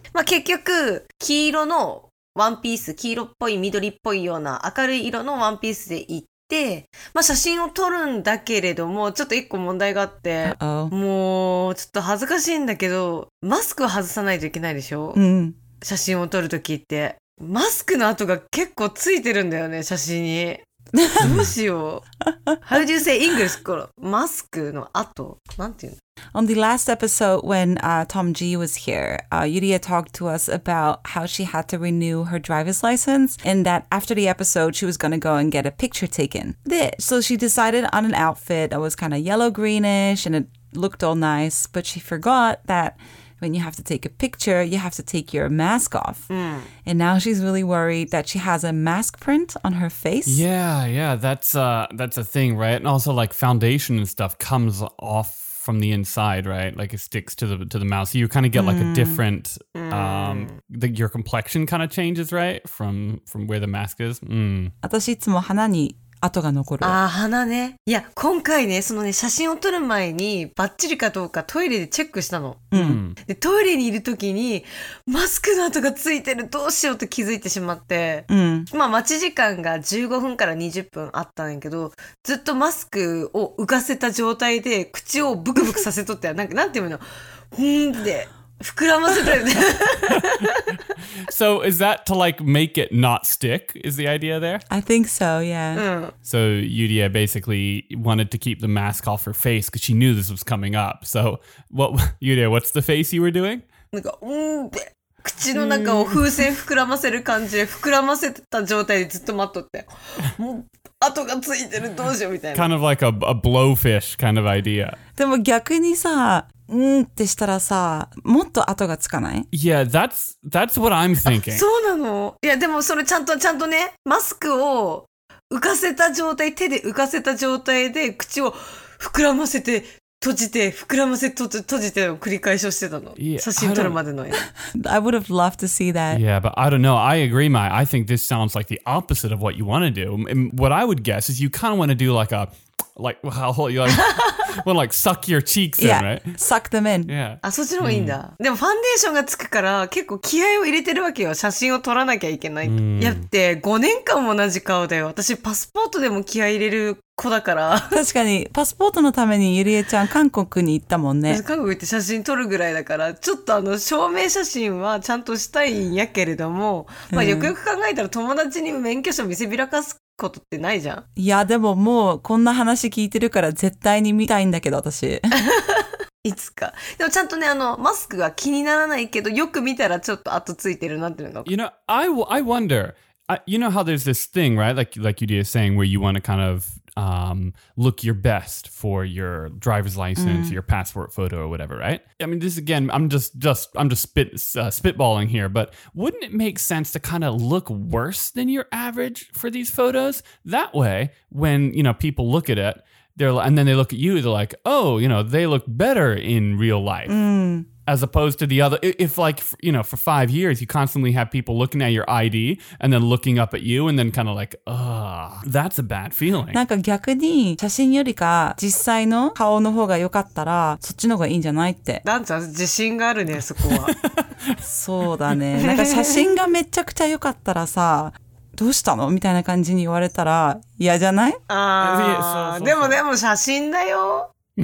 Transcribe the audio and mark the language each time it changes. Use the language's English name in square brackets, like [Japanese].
[Japanese] まあ、結局黄色のワンピース、黄色っぽい緑っぽいような明るい色のワンピースで行って、まあ、写真を撮るんだけれども、ちょっと一個問題があって、もうちょっと恥ずかしいんだけど、マスクを外さないといけないでしょ、写真を撮る時って。マスクの跡が結構ついてるんだよね、写真に。どうしよう。 [English] How do you say English? [Japanese] マスクの跡なんていうの。 [English] On the last episode when Tom G was here, Yuria talked to us about how she had to renew her driver's license and that after the episode she was going to go and get a picture taken. So she decided on an outfit that was kind of yellow greenish and it looked all nice, but she forgot thatWhen you have to take a picture, you have to take your mask off. And now she's really worried that she has a mask print on her face. Yeah, yeah, that's a thing, right? And also like foundation and stuff comes off from the inside, right? Like it sticks to the mouth. So you kind of get like a different, your complexion kind of changes, right? From where the mask is. [Japanese] 私いつも鼻に跡が残る。あ、鼻ね。いや、今回ね、そのね、写真を撮る前にバッチリかどうかトイレでチェックしたの。で、トイレにいる時にマスクの跡がついてる、どうしようって気づいてしまって、まあ待ち時間が15分から20分あったんやけど、ずっとマスクを浮かせた状態で口をブクブクさせとったよ。なんかなんていうの、ふんって膨らませたよね。 [English] So is that to like make it not stick? Is the idea there? I think so, yeah. So Yuria basically wanted to keep the mask off her face because she knew this was coming up. So what, Yuria, what's the face you were doing? [Japanese] なんか、口の中を風船膨らませる感じで、膨らませた状態でずっと待っとって。跡がついてる、どうしようみたいな。 [English] Kind of like a blowfish kind of idea. [Japanese] でも逆にさ、んってしたらさ、もっと跡がつかない？ [English] Yeah, that's what I'm thinking. [Japanese] そうなの？いや、でもそれちゃんとね、マスクを浮かせた状態、手で浮かせた状態で口を膨らませて閉じて、膨らませて閉じてを繰り返しをしてたの。 [English] Yeah, [Japanese] 写真撮るまでのやつ。 [English] I would have loved to see that. Yeah, but I don't know. I agree, Mai. I think this sounds like the opposite of what you want to do. And what I would guess is you kind of want to do like a... Like, well, you want like suck your cheeks in, right? Suck them in. Yeah. [Japanese] あ、そっちの方がいいんだ。でもファンデーションがつくから結構気合を入れてるわけよ。写真を撮らなきゃいけない。やって5年間も同じ顔だよ。私パスポートでも気合入れる子だから。確かにパスポートのためにゆりえちゃん韓国に行ったもんね。韓国行って写真撮るぐらいだから、ちょっと証明写真はちゃんとしたいんやけれども、まあよくよく考えたら友達に免許証見せびらかす。ことってないじゃん。いやでももうこんな話聞いてるから絶対に見たいんだけど私。いつか。でもちゃんとね、マスクが気にならないけど、よく見たらちょっと後ついてるなっていうのが。 [English] You know, I wonder, you know how there's this thing, right? Like you're saying where you want to kind of, look your best for your driver's license, your passport photo or whatever, right? I mean, this again, I'm just spitballing here, but wouldn't it make sense to kind of look worse than your average for these photos? That way, when, you know, people look at it, they're like, and then they look at you, they're like, oh, you know, they look better in real life. Mm. As opposed to the other, if like, you know, for 5 years, you constantly have people looking at your ID and then looking up at you and then kind of like, ugh, that's a bad feeling. [Japanese] なんか逆に写真よりか実際の顔の方が良かったらそっちの方がいいんじゃないって。ダンちゃん自信があるね、そこは。そうだね。なんか写真がめちゃくちゃ良かったらさ、どうしたのみたいな感じに言われたら嫌じゃない？ああ、でも写真だよ。